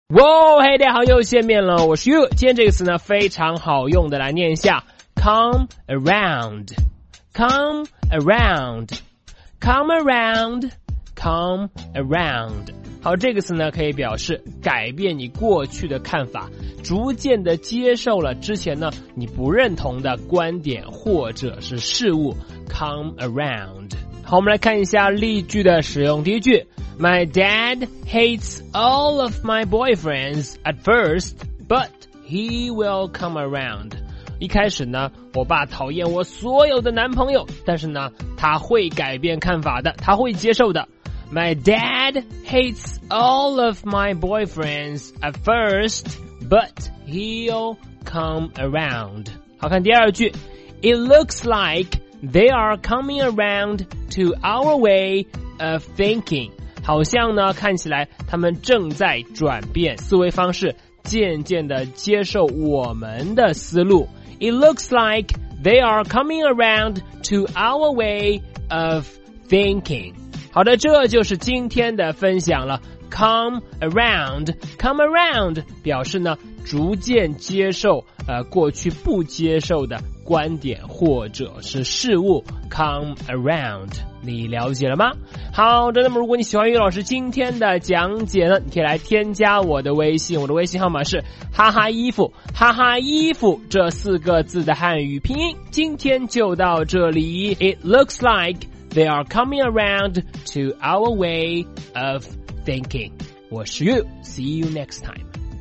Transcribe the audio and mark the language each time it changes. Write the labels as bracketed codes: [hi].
[zh] 哇，嘿，大家好，又见面了，我是 You。今天这个词呢非常好用的，来念一下 [en] Come around Come around [zh] Come around Come around。好，这个词呢可以表示改变你过去的看法，逐渐的接受了之前呢你不认同的观点或者是事物。 [en] Come around。 [zh] 好，我们来看一下例句的使用。第一句， [en] My dad hates all of my boyfriends at first, but he will come around. [zh] 一开始呢，我爸讨厌我所有的男朋友，但是呢，他会改变看法的，他会接受的。 [en] My dad hates all of my boyfriends at first, but he'll come around. [zh] 好，看第二句。 [en] It looks like they are coming around to our way of thinking. [zh] 好像呢，看起来他们正在转变思维方式，渐渐地接受我们的思路。 [en] It looks like they are coming around to our way of thinking。 [zh] 好的，这就是今天的分享了。 [en] Come around Come around [zh] 表示呢逐渐接受过去不接受的观点或者是事物。 [en] Come around， [zh] 你了解了吗？好的，那么如果你喜欢于老师今天的讲解呢，你可以来添加我的微信，我的微信号码是哈哈衣服，哈哈衣服这四个字的汉语拼音。今天就到这里。 [en] It looks like they are coming around to our way of thinking。 [zh] 我是 [en] You, see you next time。